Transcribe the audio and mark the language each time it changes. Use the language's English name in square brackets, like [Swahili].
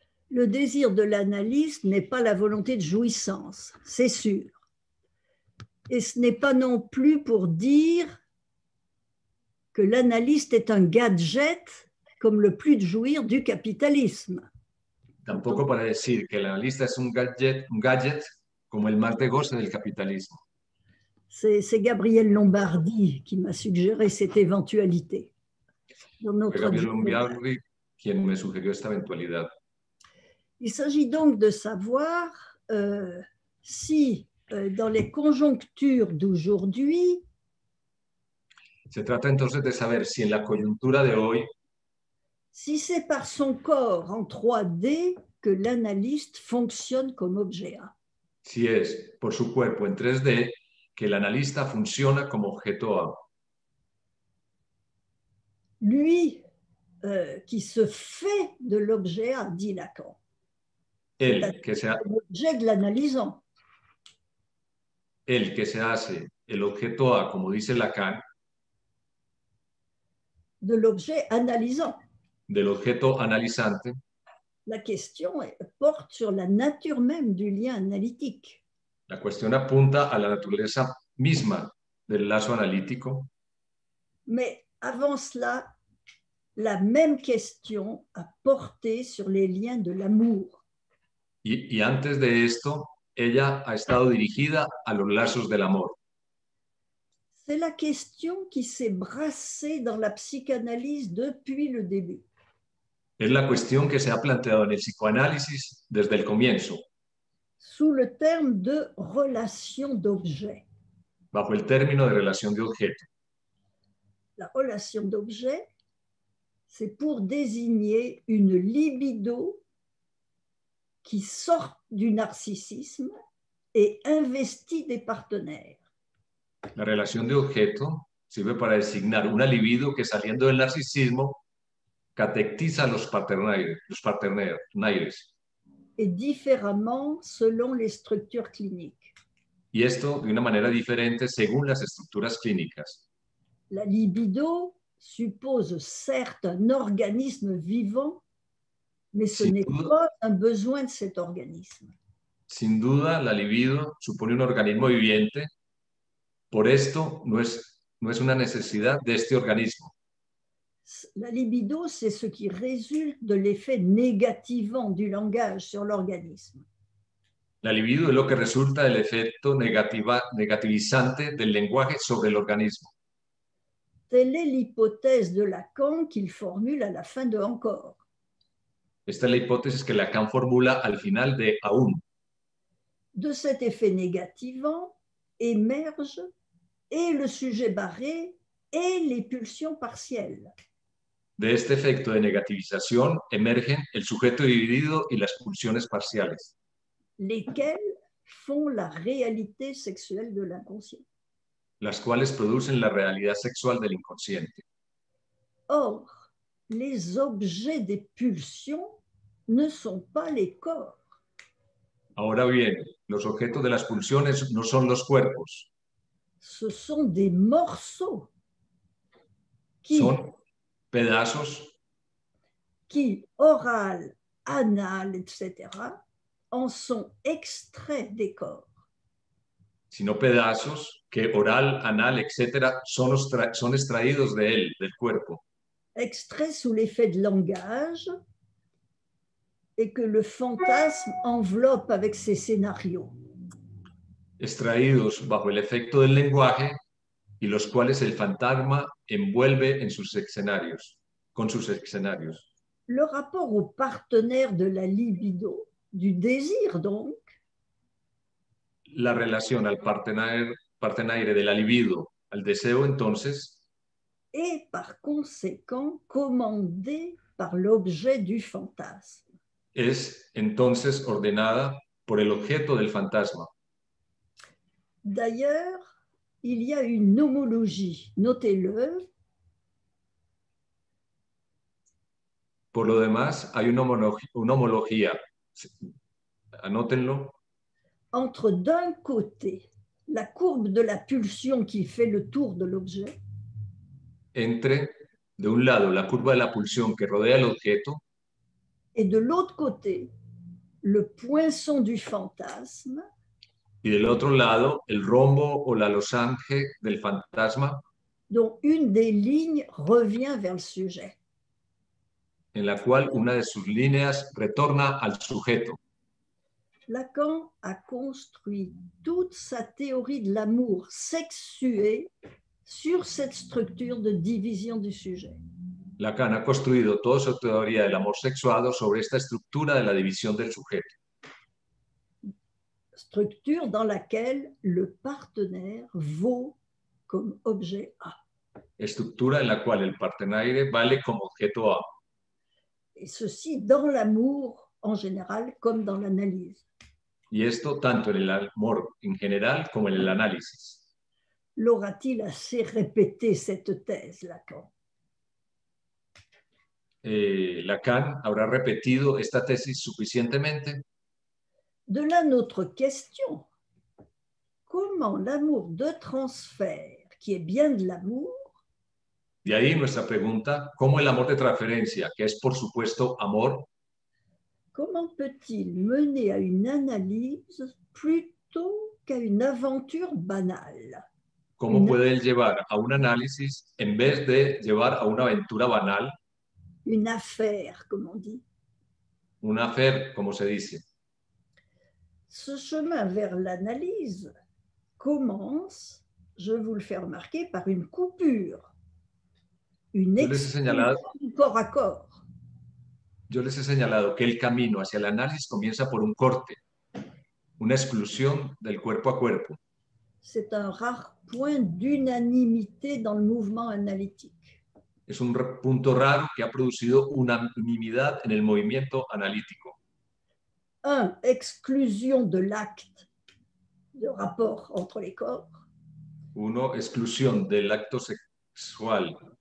[French] Le désir de l'analyste n'est pas la volonté de jouissance, c'est sûr. Et ce n'est pas non plus pour dire que l'analyste est un gadget comme le plus de jouir du capitalisme. [Spanish] Tampoco para decir que el analista es un gadget como el más de goce del capitalismo. [French] C'est Gabriel Lombardi qui m'a suggéré cette éventualité. Dans notre Gabriel Lombardi qui me [Spanish] suggerió esta eventualidad. [French] Il s'agit donc de savoir si dans les conjonctures d'aujourd'hui, [Spanish] se trata entonces de saber si en la coyuntura de hoy, [French] si c'est par son corps en 3D que l'analyste fonctionne comme objet A. [Spanish] Si es por su cuerpo en 3D que el analista funciona como objeto A. [French] Lui qui se fait de l'objet A, dit Lacan. [Spanish] Él que se hace [French] l'objet de l'analysant. [Spanish] Él que se hace el objeto A, como dice Lacan. [French] De l'objet analysant. [Spanish] De l'objeto analizante. [French] La question porte sur la nature même du lien analytique. [Spanish] La cuestión apunta a la naturaleza misma del lazo analítico. [French] Mais avant cela, la même question a porté sur les liens de l'amour. [Spanish] Y antes de esto, ella ha estado dirigida a los lazos del amor. [French] C'est la question qui s'est brassée dans la psychanalyse depuis le début. [Spanish] Es la cuestión que se ha planteado en el psicoanálisis desde el comienzo. [French] Sous le terme de relation d'objet. [Spanish] Bajo el término de relación de objeto. La relación [French] d'objet, c'est pour désigner une libido qui sort du narcissisme et investit des partenaires. [Spanish] La relación de objeto sirve para designar una libido que saliendo del narcisismo catectiza los partenaires. [French] Et différemment selon les structures cliniques. [Spanish] Y esto de una manera diferente según las estructuras clínicas. [French] La libido suppose certes un organisme vivant, mais ce n'est pas un besoin de cet organisme. [Spanish] Sin duda, la libido supone un organismo viviente, por esto no es una necesidad de este organismo. [French] La libido, c'est ce qui résulte de l'effet négativant du langage sur l'organisme. [Spanish] La libido es lo que resulta del efecto negativizante del lenguaje sobre el organismo. [French] Telle est l'hypothèse de Lacan qu'il formule à la fin de Encore. [Spanish] Esta es la hipótesis que Lacan formula al final de Aún. [French] De cet effet négativant émerge et le sujet barré et les pulsions partielles. [Spanish] De este efecto de negativización emergen el sujeto dividido y las pulsiones parciales. [French] Lesquelles font la réalité sexuelle de l'inconscient. [Spanish] Las cuales producen la realidad sexual del inconsciente. [French] Or, les objets des pulsions ne sont pas les corps. [Spanish] Ahora bien, los objetos de las pulsiones no son los cuerpos. [French] Ce sont des morceaux. [Spanish] Son pedazos [French] qui, oral, anal, etc., en sont extraits des corps. [Spanish] Sino pedazos que, oral, anal, etc., son extraídos de él, del cuerpo. [French] Extraits sous l'effet de langage et que le fantasme enveloppe avec ses scénarios. [Spanish] Extraídos bajo el efecto del lenguaje y los cuales el fantasma envuelve en sus escenarios, con sus escenarios. [French] Le rapport au partenaire de la libido, du désir donc. [Spanish] La relación al partenaire de la libido, al deseo entonces. [French] Est par conséquent commandé par l'objet du fantasme. [Spanish] Es entonces ordenada por el objeto del fantasma. [French] D'ailleurs, il y a une homologie, notez-le. [Spanish] Por lo demás, hay una homología, anótenlo. [French] Entre d'un côté, la courbe de la pulsion qui fait le tour de l'objet. [Spanish] Entre, de un lado, la curva de la pulsión que rodea el objeto. [French] Et de l'autre côté, le poinçon du fantasme. [Spanish] Y del otro lado, el rombo o la losange del fantasma. [French] Dont une des lignes revient vers le sujet. [Spanish] En la cual una de sus líneas retorna al sujeto. [French] Lacan a construit toute sa théorie de l'amour sexué sur cette structure de division du sujet. [Spanish] Lacan a construido toda su teoría del amor sexuado sobre esta estructura de la división del sujeto. [French] Structure dans laquelle le partenaire vaut comme objet A. [Spanish] Estructura en la cual el partenaire vale como objeto A. [French] Et ceci dans l'amour en général comme dans l'analyse. [Spanish] Y esto tanto en el amor en general como en el análisis. [French] L'aura-t-il assez répété cette thèse, Lacan? [Spanish] Lacan habrá repetido esta tesis suficientemente? [French] De là notre question. Comment l'amour de transfert, qui est bien de l'amour, [Spanish] de ahí nuestra pregunta, ¿cómo el amor de transferencia, que es por supuesto amor, [French] comment peut-il mener à une analyse plutôt qu'à une aventure banale? [Spanish] ¿Cómo puede él llevar a un análisis en vez de llevar a una aventura banal? [French] Une affaire, comme on dit. [Spanish] Una affaire, como se dice. [French] Ce chemin vers l'analyse commence, je vous le fais remarquer, par une coupure, une exclusion corps à corps. [Spanish] Yo les he señalado que el camino hacia el análisis comienza por un corte, una exclusión del cuerpo a cuerpo. [French] C'est un rare point d'unanimité dans le mouvement analytique. [Spanish] Es un punto raro que ha producido unanimidad en el movimiento analítico. [French] 1. Exclusión de l'acte, de rapport entre les corps. 1. [Spanish] Exclusión del acto sexual.